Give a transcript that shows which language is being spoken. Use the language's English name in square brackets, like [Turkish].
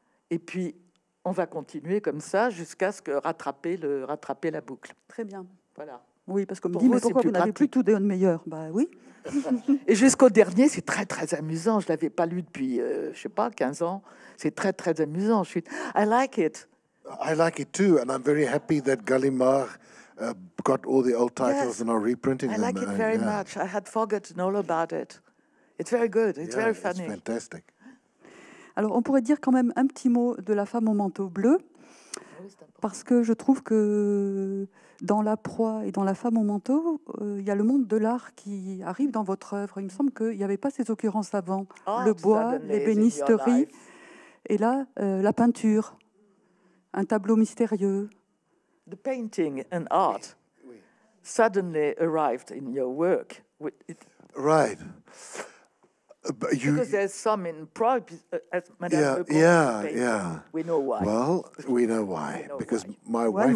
[French] Et puis, on va continuer comme ça jusqu'à ce que rattraper la boucle. Très bien. Voilà. Oui, parce qu'on me dit, mais pourquoi vous n'avez plus tout Déon Meyer ? Ben oui. Et jusqu'au dernier, c'est très, très amusant. Je ne l'avais pas lu depuis, je ne sais pas, 15 ans. C'est très, très amusant. Je suis... [English] I like it. I like it too. And I'm very happy that Gallimard got all the old titles and are reprinting them. I like it very much. I had forgotten all about it. It's very good. It's very funny. It's fantastic. [French] Alors, on pourrait dire quand même un petit mot de La femme au manteau bleu, parce que je trouve que dans La proie et dans La femme au manteau, il y a le monde de l'art qui arrive dans votre œuvre. Il me semble qu'il n'y avait pas ces occurrences avant. Oh, le bois, l'ébénisterie, et là, la peinture, un tableau mystérieux. [English] The painting and art suddenly arrived in your work. Right. But you, because there's some in Prague, as Madame We know why. Well, we know why. We know because why. My, why, wife